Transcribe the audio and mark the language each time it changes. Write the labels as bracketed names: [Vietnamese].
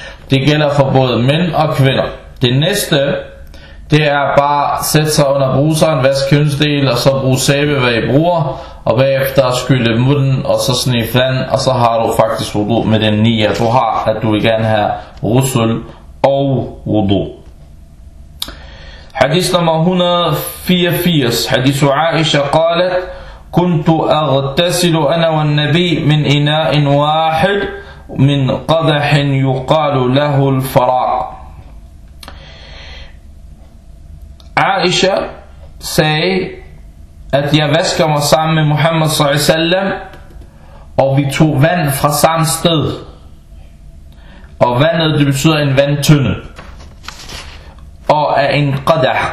[Danish] Det gælder for både mænd og kvinder. Det næste, det er bare at sætte sig under bruseren, vaske kønsdel, og så bruge sæbe, hvad I bruger. Og bagefter skylle mudden, og så sådan i flan, og så har du faktisk wudu med den nia, du har, at du vil gerne have rusul og wudu. Hadith nummer 184. [Arabic] Hadith Aisha qalat: كنت أغتسل أنا والنبي من إناء واحد من قدح يقال له الفراء. [Danish] عائشة sagde, at jeg vasker mig sammen med Muhammad صلى الله عليه وسلم, og vi tog vand fra samme sted. Og vandet, det betyder en vandtønde. Og af en qadah.